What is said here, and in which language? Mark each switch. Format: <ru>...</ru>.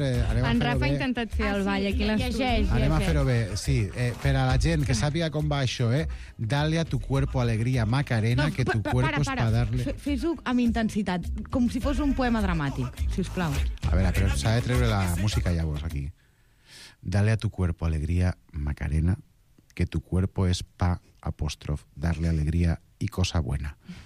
<ca>En Rafa ha intentat fer el ball, aquí l'estudi. Anem a fer-ho bé, sí. Per a la gent que sàpiga com va això, eh?</ca> <es>Dale a tu cuerpo alegría, Macarena, que tu cuerpo es para darle...</es> <ca>Fes-ho amb intensitat, com si fos un poema dramàtic, sisplau. A veure, però s'ha de treure la música llavors, aquí.</ca> <es>Dale a tu cuerpo alegría, Macarena, que tu cuerpo es pa, apóstrof, darle alegría y cosa buena.</es>